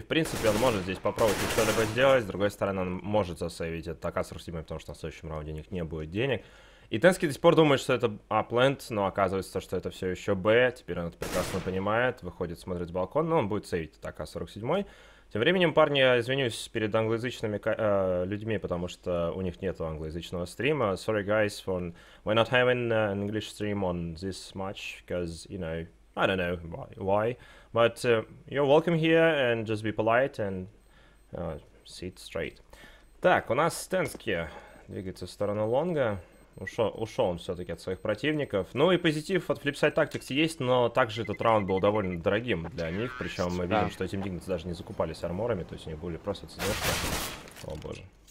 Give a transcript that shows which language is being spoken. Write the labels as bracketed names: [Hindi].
[Russian] В принципе, он может здесь попробовать что-либо сделать, с другой стороны, он может засейвить этот АК с Русимой, потому что на следующем раунде у них не будет денег. И Тенски до сих пор думает, что это апленд, но оказывается, что это все еще Б. Теперь он это прекрасно понимает, выходит смотреть с балкона, но он будет сейвить так АК-47. Тем временем, парни, я извинюсь перед англоязычными людьми, потому что у них нет англоязычного стрима. [English] Sorry guys, for... we're not having an English stream on this match, because, you know, I don't know why. But you're welcome here, and just be polite, and sit straight. [Russian] Так, у нас Тенски двигается в сторону лонга. Ушел он все-таки от своих противников. Ну и позитив от Flipside Tactics есть, но также этот раунд был довольно дорогим для них. Причем мы видим, что этим Dignitas даже не закупались арморами, то есть они были просто цедешки. О боже.